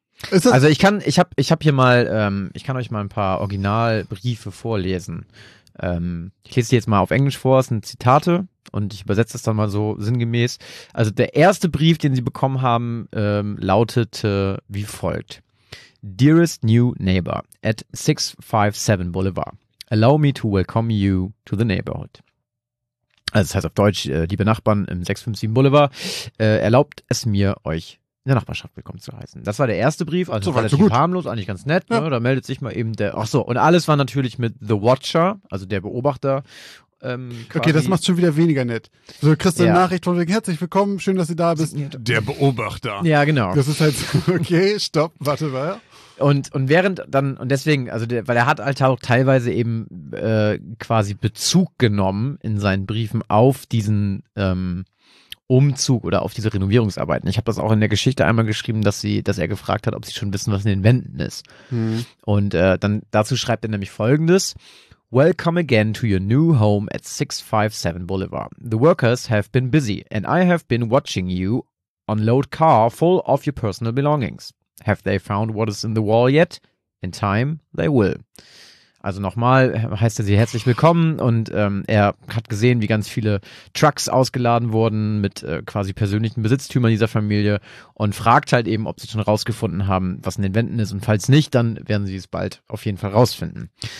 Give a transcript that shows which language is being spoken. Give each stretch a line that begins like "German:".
German: Also ich habe hier mal, ich kann euch mal ein paar Originalbriefe vorlesen. Ich lese die jetzt mal auf Englisch vor, es sind Zitate und ich übersetze das dann mal so sinngemäß. Also der erste Brief, den sie bekommen haben, lautete wie folgt.
English: Dearest new neighbor at 657 Boulevard, allow me to welcome you to the neighborhood.
German: Also das heißt auf Deutsch, liebe Nachbarn im 657 Boulevard, erlaubt es mir, euch in der Nachbarschaft willkommen zu heißen. Das war der erste Brief, also so relativ harmlos, eigentlich ganz nett. Ja. Ne? Da meldet sich mal eben der, ach so, und alles war natürlich mit The Watcher, also der Beobachter. Okay, das macht schon wieder weniger nett. So, kriegst du eine Nachricht von wegen, herzlich willkommen, schön, dass du da bist. Der Beobachter. Ja, genau. Das ist halt, okay, stopp, warte mal. Und während dann, und deswegen, also der, weil er hat halt auch teilweise eben quasi Bezug genommen in seinen Briefen auf diesen Umzug oder auf diese Renovierungsarbeiten. Ich habe das auch in der Geschichte einmal geschrieben, dass er gefragt hat, ob sie schon wissen, was in den Wänden ist. Hm. Und dann dazu schreibt er nämlich Folgendes.
English: Welcome again to your new home at 657 Boulevard. The workers have been busy and I have been watching you unload car full of your personal belongings. Have they found what is in the wall yet? In time, they will.
German: Also nochmal heißt er sie herzlich willkommen und er hat gesehen, wie ganz viele Trucks ausgeladen wurden mit quasi persönlichen Besitztümern dieser Familie und fragt halt eben, ob sie schon rausgefunden haben, was in den Wänden ist und falls nicht, dann werden sie es bald auf jeden Fall rausfinden.